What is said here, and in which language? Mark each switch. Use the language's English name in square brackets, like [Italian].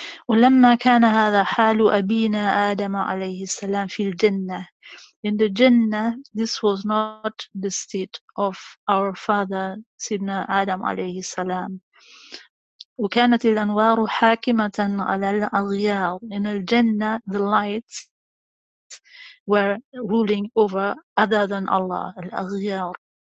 [Arabic] ولما كان هذا حال أبينا آدم عليه السلام في الجنة. [English] In the Jannah, this was not the state of our father, سيدنا آدم عليه السلام. [Arabic] وكانت الأنوار حاكمة على الأغيار. [English] In the Jannah, the lights were ruling over other than Allah, الأغيار.